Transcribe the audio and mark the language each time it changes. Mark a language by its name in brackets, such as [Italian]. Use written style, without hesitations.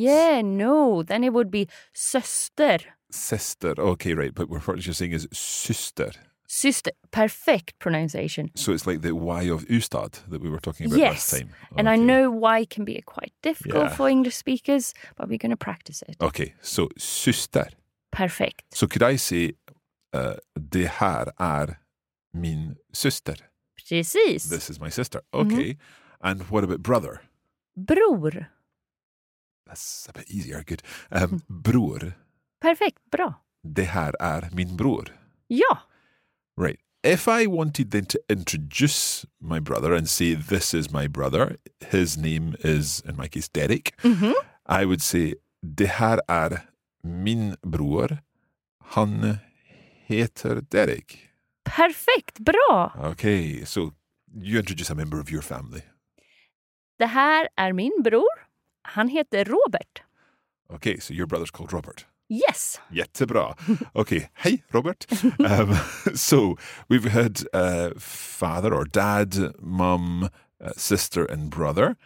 [English] Yeah, no. Then it would be syster. Syster. Okay, right. But what you're saying is syster. Syster. Perfect pronunciation. So it's like the Y of Ustad that we were talking about yes. last time. Okay. And I know Y can be quite difficult yeah. for English speakers, but we're going to practice it. Okay. So syster. Perfect. So could I say, [Swedish] det här är min syster? Precis. [English] This is my sister. Okay. Mm-hmm. And what about brother? [Swedish] Bror. [English] That's a bit easier. Good. Bror. Perfect. Bra. [Swedish] Det här är min bror. Ja. [English] Right. If I wanted then to introduce my brother and say, this is my brother, his name is, in my case, Derek, mm-hmm. I would say, [Swedish] det här är min bror, han heter Derek. [English] Perfect. Bra. Okay. So you introduce a member of your family. [Swedish] Det här är min bror. Han heter Robert. [English] Okay, so your brother's called Robert. Yes. [Swedish] Jättebra. Okay, hej Robert. [English] So we've had father or dad, mum, sister and brother.